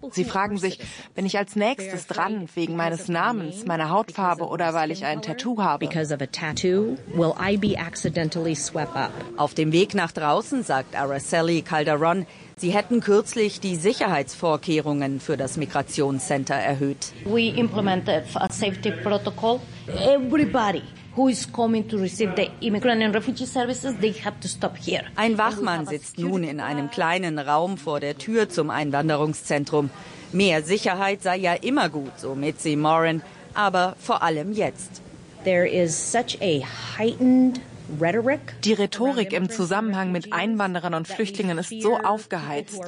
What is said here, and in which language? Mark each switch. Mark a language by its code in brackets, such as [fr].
[de] Sie fragen sich, bin ich als nächstes dran wegen meines Namens, meiner Hautfarbe oder weil ich ein Tattoo habe? Auf dem Weg nach draußen, sagt Araceli Calderon, sie hätten kürzlich die Sicherheitsvorkehrungen für das Migrationscenter erhöht. [en] We implemented a safety protocol. Everybody who is coming to receive the immigrant and refugee services, they have to stop here. [de] Ein Wachmann sitzt nun in einem kleinen Raum vor der Tür zum Einwanderungszentrum. Mehr Sicherheit sei ja immer gut, so Mitzi Moran, aber vor allem jetzt. [en] There is such a heightened [de] Die Rhetorik im Zusammenhang mit Einwanderern und Flüchtlingen ist so aufgeheizt.